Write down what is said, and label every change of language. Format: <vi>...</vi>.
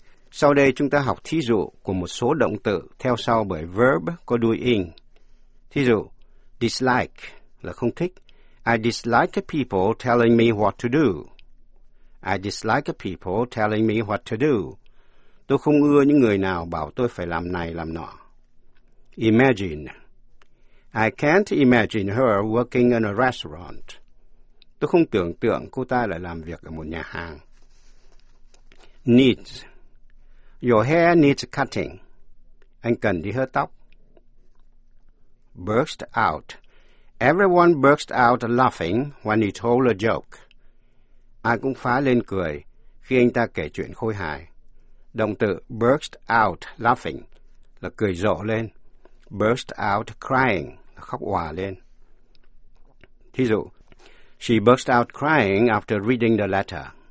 <vi>Sau đây chúng ta học thí dụ của một số động từ theo sau bởi verb có đuôi ing. Thí dụ, dislike là không thích.</vi> <en>I dislike the people telling me what to do. I dislike the people telling me what to do.</en> <vi>Tôi không ưa những người nào bảo tôi phải làm này làm nọ. Imagine.</vi> <en>I can't imagine her working in a restaurant.</en> <vi>Tôi không tưởng tượng cô ta lại làm việc ở một nhà hàng. Needs.</vi> <en>Your hair needs cutting.</en> <vi>Anh cần đi hớt tóc.</vi> <en>Burst out. Everyone burst out laughing when he told a joke.</en> <vi>Ai cũng phá lên cười khi anh ta kể chuyện khôi hài. Động từ</vi> <en>burst out laughing</en> <vi>là cười rộ lên.</vi> <en>Burst out crying</en> <vi>là khóc òa lên. Thí dụ,</vi> <en>she burst out crying after reading the letter.</en>